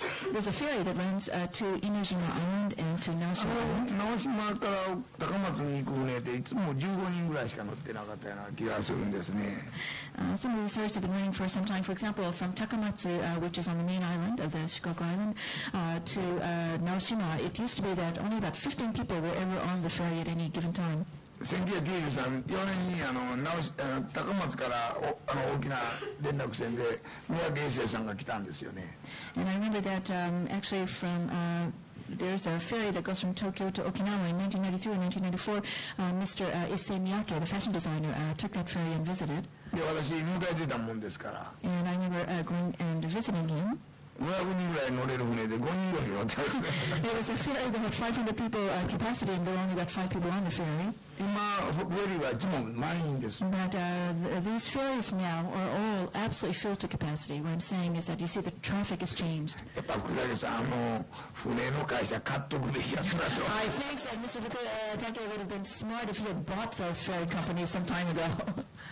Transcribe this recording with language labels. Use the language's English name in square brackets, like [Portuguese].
[English] There's a ferry that runs to Inujima Island and to Naoshima Island. Some of these ferries have been running for some time. For example, from Takamatsu, which is on the main island of the Shikoku Island, to Naoshima, it used to be that only about 15 people were ever on the ferry at any given time. [Japanese] 1994年に高松から大きな連絡船で宮家英生さんが来たんですよね。 [English] And I remember that actually from there's a ferry that goes from Tokyo to Okinawa in 1993 and 1994. Mr. Issei Miyake, the fashion designer, took that ferry and visited. [Japanese] で、私迎えてたもんですから。 [English] And I remember going and visiting him. [Japanese] 500人ぐらい乗れる船で5人ぐらい乗ってる。 [English] It was a ferry that had 500 people capacity, and there were only about 5 people on the ferry. [Japanese] 今、フェリーはいつも満員です。 [English] But these ferries now are all absolutely filled to capacity. What I'm saying is that you see the traffic has changed. [Japanese] やっぱ福田さん、船の会社買っとくべきやつだと。 [English] I think that Mr. Fukutake would have been smart if he had bought those ferry companies some time ago.